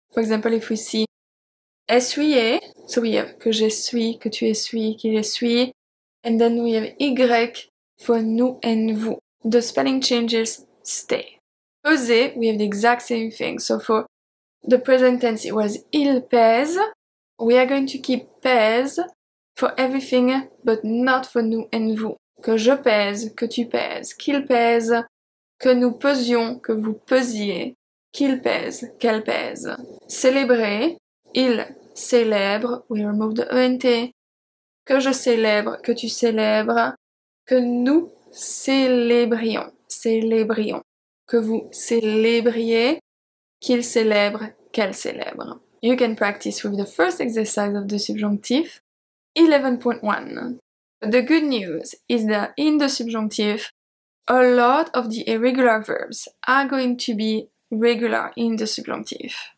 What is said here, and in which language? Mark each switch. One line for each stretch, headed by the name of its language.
English: For example, if we see essuyer, so we have
French: que j'essuie, que tu essuies, qu'il essuie,
English: and then we have y for nous and vous. The spelling changes stay. Peser, we have the exact same thing. So for the present tense, it was il pèse. We are going to keep pèse for everything, but not for nous and vous.
French: Que je pèse, que tu pèses, qu'il pèse, que nous pesions, que vous pesiez, qu'il pèse, qu'elle pèse.
English: Célébrer,
French: il célèbre,
English: we remove the ent.
French: Que je célèbre, que tu célèbres, que nous célébrions, célébrions. Que vous célébriez, qu'il célèbre, qu'elle célèbre.
English: You can practice with the first exercise of the subjonctif, 11.1. The good news is that in the subjonctif, a lot of the irregular verbs are going to be regular in the subjonctif.